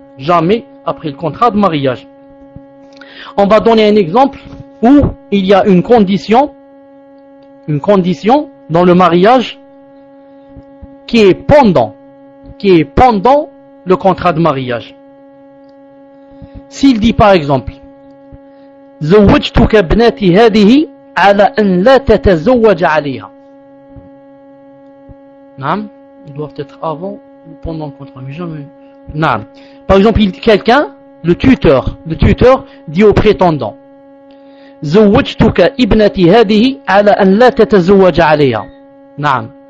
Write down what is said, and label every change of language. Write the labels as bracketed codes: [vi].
[fr] Jamais après le contrat de mariage. On va donner un exemple où il y a une condition dans le mariage qui est pendant le contrat de mariage. S'il dit par exemple, [ar] زوجتك ابنتي هذه على أن لا تتزوج عليها. [fr] نعم, ils doivent être avant ou pendant le contrat, mais jamais. [ar] نعم. [fr] Par exemple, quelqu'un, le tuteur dit au prétendant, [ar] زوجتك ابنتي هذه على أن لا تتزوج عليها. نعم.